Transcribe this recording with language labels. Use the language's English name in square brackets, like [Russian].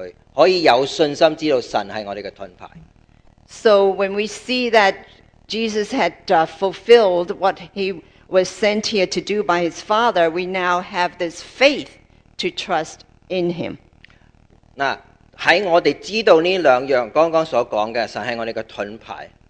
[Chinese] 当我们知道耶稣基督已经走完他要走的路，他已经成就了救赎的功的时候，我们可以有信心去依靠他，可以有信心知道神是我们的盾牌。 [English] So when we see that Jesus had fulfilled what he was sent here to do by his Father, we now have this faith to trust in him. [Chinese] 在我们知道这两样刚刚所讲的，神是我们的盾牌。